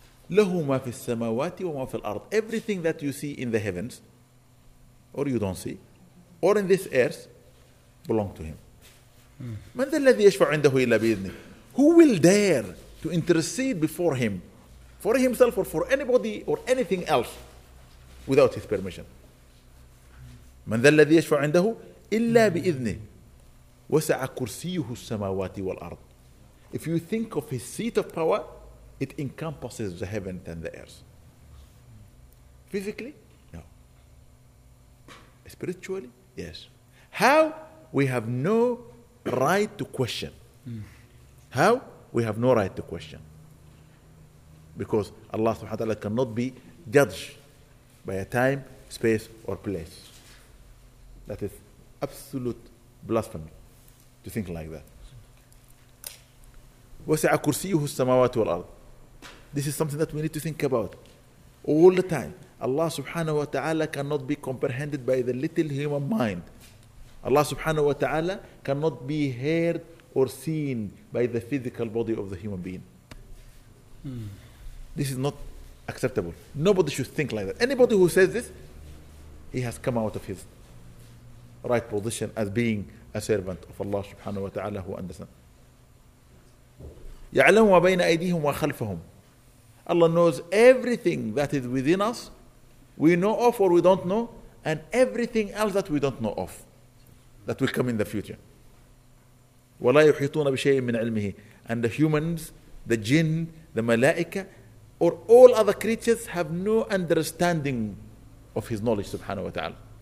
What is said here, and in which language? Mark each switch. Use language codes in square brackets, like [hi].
[ar] له ما في السماوات وما في الأرض. [en] Everything that you see in the heavens, or you don't see, or in this earth, belong to Him. [ar] من ذا الذي يشفع عنده إلا بإذنه. [en] Who will dare to intercede before Him, for Himself or for anybody or anything else? without his permission. [ar] من ذا الذي يشفع عنده إلا بإذنه وسع كرسيه السماوات والأرض. [en] If you think of his seat of power, it encompasses the heaven and the earth. Physically? No. Spiritually? Yes. How? We have no right to question. How? We have no right to question. Because Allah subhanahu wa ta'ala cannot be judged by a time, space, or place. That is absolute blasphemy to think like that. [ar] وَسِعَ كُرْسِيُهُ السَّمَاوَاتُ وَالْأَرْضِ. [en] This is something that we need to think about all the time. Allah subhanahu wa ta'ala cannot be comprehended by the little human mind. Allah subhanahu wa ta'ala cannot be heard or seen by the physical body of the human being. This is not acceptable. Nobody should think like that. Anybody who says this, he has come out of his right position as being a servant of Allah subhanahu wa ta'ala, who understands. [ar] يعلم ما بين أيديهم وخلفهم. [en] Allah knows everything that is within us, we know of or we don't know, and everything else that we don't know of, that will come in the future. [ar] ولا يحيطون بشيء من علمه. [en] And the humans, the jinn, the malaika, or all other creatures have no understanding of his knowledge subhanahu wa ta'ala.